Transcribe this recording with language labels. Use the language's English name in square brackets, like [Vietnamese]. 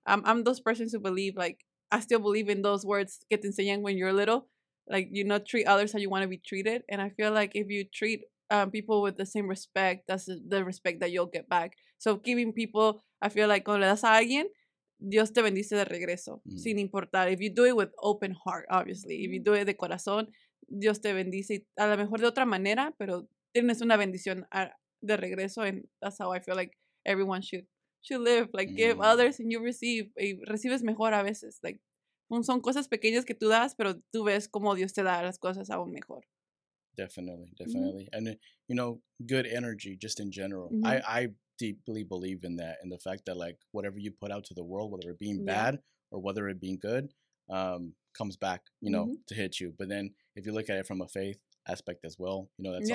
[English] I'm those persons who believe, like, I still believe in those words que te enseñan when you're little, like, you know, treat others how you want to be treated. And I feel like if you treat people with the same respect, that's the respect that you'll get back. [Spanish] So giving people, I feel like, cuando le das a alguien, Dios te bendice de regreso, mm-hmm. sin importar. [English] If you do it with open heart, obviously. Mm-hmm. If you do it de corazón, Dios te bendice. [Spanish] A lo mejor de otra manera, pero tienes una bendición de regreso. [English] And that's how I feel like everyone should live. Like, mm-hmm. give others and you receive. Y recibes mejor a veces. [Spanish] Like, son cosas pequeñas que tú das, pero tú ves cómo Dios te da las cosas aún mejor. [English] Definitely, definitely. Mm-hmm. And, you know, good energy just in general. Mm-hmm. I deeply believe in that, and the fact that, like, whatever you put out to the world, whether it being yeah. bad or whether it being good, comes back, you know, mm-hmm. to hit you. But then if you look at it from a faith aspect as well, you know, that's yeah.